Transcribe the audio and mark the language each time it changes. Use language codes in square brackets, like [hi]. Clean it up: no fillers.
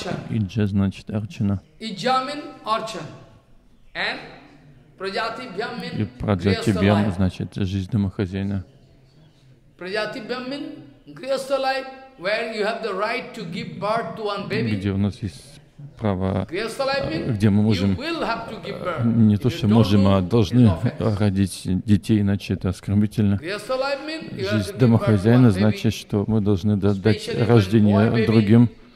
[ru] Иджа значит арчана. И праджатибьям значит жизнь домохозяина. Праджатибьям значит жизнь. [en] Where you have the right to give birth to one baby. [ru] Где у нас есть право, где мы можем, не то что можем, а должны родить детей, иначе это оскорбительно. Жизнь домохозяина значит, что мы должны дать рождение другим.